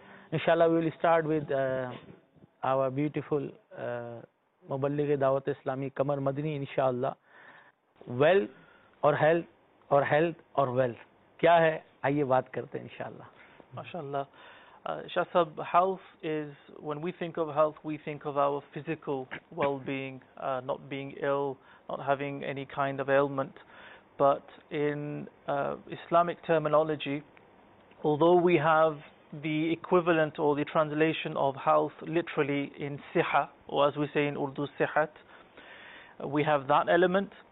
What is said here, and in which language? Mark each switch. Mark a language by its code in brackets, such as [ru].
[en] Inshallah, we will start with our beautiful Muballigh Dawat Islami Qamar Madani. [ur] انشاءاللہ، [en] wealth or health or health or wealth. [ur] کیا ہے؟ آئیے بات کرتے ہیں انشاءاللہ۔ [en] MashaAllah. Shah Sahib, health is, when we think of health, we think of our physical well-being, not being ill, not having any kind of ailment. But in Islamic terminology, although we have the equivalent or the translation of health literally in siha, or as we say in Urdu, sihat, we have that element.